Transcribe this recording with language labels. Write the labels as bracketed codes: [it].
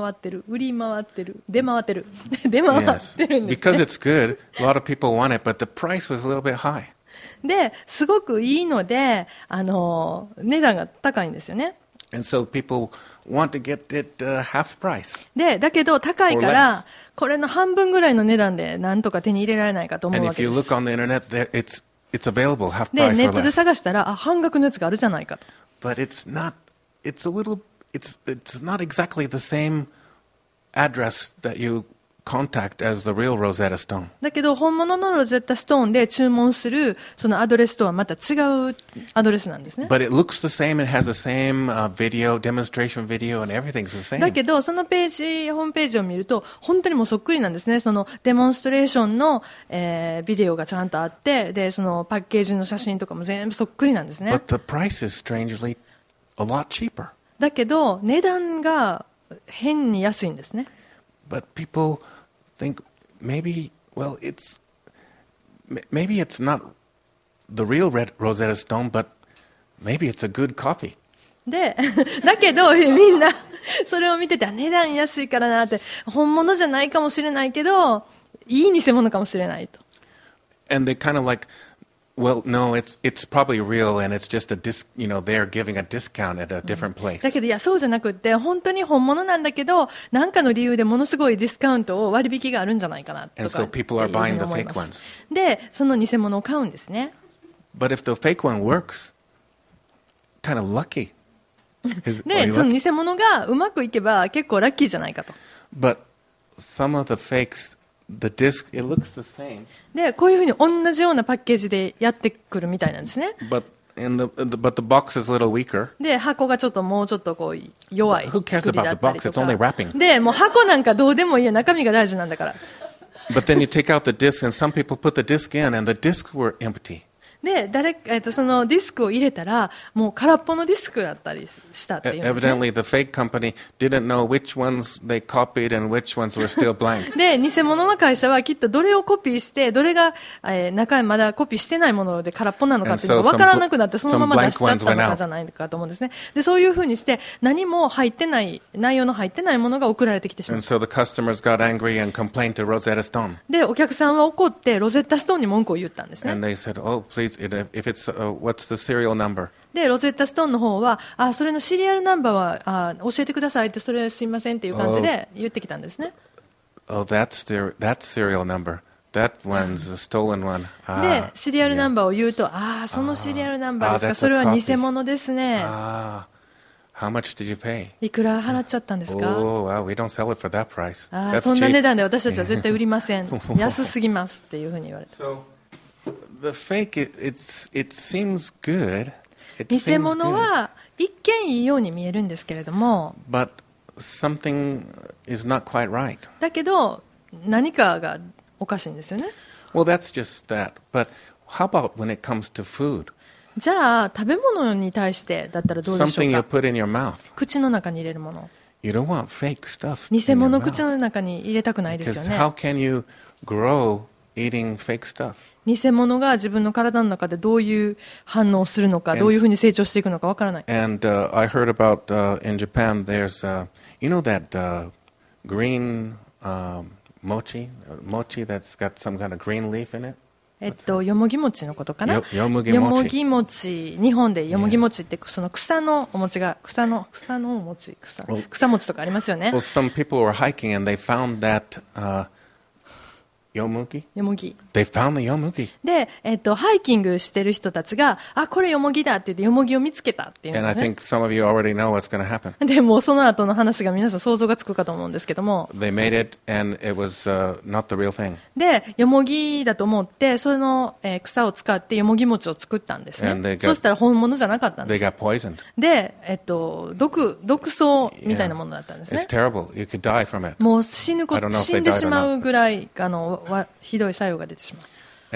[ja] 売られ回ってる、出回ってる、出回ってるんですね。 [en] Yes. Because it's good, a lot of people want it, but the price was a little bit high. [ja] で、すごくいいので、値段が高いんですよね。 [en] And so people want to get it half price. [ja] で、だけど高いから、これの半分ぐらいの値段でなんとか手に入れられないかと思うわけです。 [en] And if you look on the internet, it's available half price or less. [ja] で、ネットで探したら、あ、半額のやつがあるじゃないかと。 [en] But it's not, it's a little,It's not exactly the same address that you contact as the real Rosetta Stone. [ja] だけど本物のロゼッタストーンで注文するそのアドレスとはまた違うアドレスなんですね。 [en] But it looks the same. It has the same video demonstration video and everything's the same. [ja] だけどそのページホームページを見ると本当にもうそっくりなんですね。そのデモンストレーションの、ビデオがちゃんとあってでそのパッケージの写真とかも全部そっくりなんですね。 [en] But the price is strangely a lot cheaper. [ja] だけど値段が変に安いんですね。 [en] But people think maybe, well, it's, maybe it's not the real Rosetta Stone, but maybe it's a good copy. [ja] で、だけどみんなそれを見てて値段安いからなって本物じゃないかもしれないけどいい偽物かもしれないと。 [en] And they kind of like,Well, no, it's probably real, and it's just a disc. You know, they're giving a discount at a different place. [ja] だけどいやそうじゃなくて本当に本物なんだけど何かの理由でものすごいディスカウントを割引があるんじゃないかなとか。 [en] And so people are buying the fake ones. [ja] でその偽物を買うんですね。 [en] But if the fake one works, kind of lucky. [ja] でその偽物がうまくいけば結構ラッキーじゃないかと。 [en] But some of the fakes. The disc, it looks the same. [ja] でこういうふうに同じようなパッケージでやってくるみたいなんですね。 [en] But the box is a little weaker. [ja] で箱がちょっともうちょっとこう弱い作りだったりとか。 [en] Who cares about the box? It's only wrapping. [ja] でもう箱なんかどうでもいいや中身が大事なんだから。 [en] But then you take out the disc and some people put the disc in and the disc were empty. [ja] で誰か、そのディスクを入れたらもう空っぽのディスクだったりしたっていうんですね。 [en] Evidently the fake company didn't know which ones they copied and which ones were still blank. [ja] で偽物の会社はきっとどれをコピーしてどれが、中にまだコピーしてないもので空っぽなのかっていうのが分からなくなってそのまま出しちゃったのかじゃないかと思うんですね。でそういうふうにして何も入ってない内容の入ってないものが送られてきてしまった。 [en] And so the customers got angry and complained to Rosetta Stone. [ja] でお客さんは怒ってロゼッタストーンに文句を言ったんですね。 [en] And they said, oh, please. If it's, what's the serial number? [ja] でロゼッタストーンの方はあそれのシリアルナンバーはあー教えてくださいってそれすいませんっていう感じで言ってきたんですね。 [en] That's serial number. That one's a stolen one. [ja] でシリアルナンバーを言うと、yeah. あそのシリアルナンバーですか、それは偽物ですね。 [en] How much did you pay? [ja] いくら払っちゃったんですか。 [en] Oh, well, we don't sell it for that price. [ja] あそんな値段で私たちは絶対売りません。安すぎますっていうふうに言われた。 [en] The fake, it seems good. It seems good. [ja] 偽物は一見いいように見えるんですけれども、 [en] But something is not quite right. [ja] だけど何かがおかしいんですよね。 [en] Well, that's just that. But how about when it comes to food? [ja] じゃあ食べ物に対してだったらどうでしょうか。 [en] Something you put in your mouth. [ja] 口の中に入れるもの。 [en] You don't want fake stuff. [ja] 偽物を口の中に入れたくないですよね。 [en] Because how can you grow eating fake stuff? [ja] 偽物が自分の体の中でどういう反応をするのかどういうふうに成長していくのかわからない。 [en] And I heard about in Japan there's you know that green mochi? Mochi that's got some kind of green leaf in it? [ja] よもぎ餅のことかな。よもぎ餅日本でよもぎ餅ってその草のお餅が草のお餅 草餅とかありますよね。 [en] Well, some people were hiking and they found that ヨモギ。 They found the ヨモギ。 [ja] で、ハイキングしてる人たちが、あ、これヨモギだって言ってヨモギを見つけたっていうんですね。 [en] And I think some of you already know what's going to happen. [ja] でもその後の話が皆さん想像がつくかと思うんですけども。 [en] They made it and it was not the real thing. [ja] で、ヨモギだと思ってその、草を使ってヨモギ餅を作ったんですね。 [en] And they got, [ja] そうしたら本物じゃなかったんです。 [en] They got poisoned. [ja] で、毒草みたいなものだったんですね。 [en] Yeah. It's terrible. You could die from it. [ja] もう死ぬこと死んでしまうぐらいひどい作用が出てしまう。